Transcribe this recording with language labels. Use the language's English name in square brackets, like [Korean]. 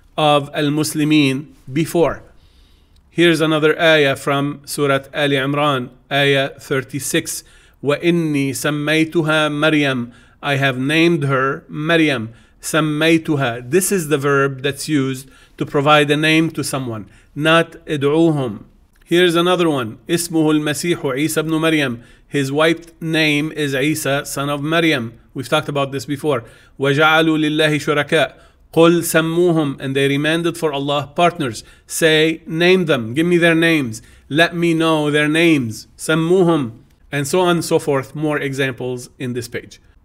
[English] of al-Muslimin before. Here's another ayah from Surah Ali Imran, ayah 36. [Arabic] وَإِنِّي سَمَّيْتُهَا مَرْيَمْ. [English] I have named her Maryam. [Arabic] سَمَّيْتُهَا. [English] This is the verb that's used to provide a name to someone, not ادعوهم. Here's another one. [Arabic] اسمه المسيح عيسى بن مريم. [English] His wife's name is Isa, son of Maryam. We've talked about this before. [Arabic] وَجَعَلُوا لِلَّهِ شُرَكَاءَ. قُلْ سَمُّوهُمْ. [English] And they remanded for Allah partners. Say, name them. Give me their names. Let me know their names. سَمُّوهُمْ. And so on and so forth. More examples in this page.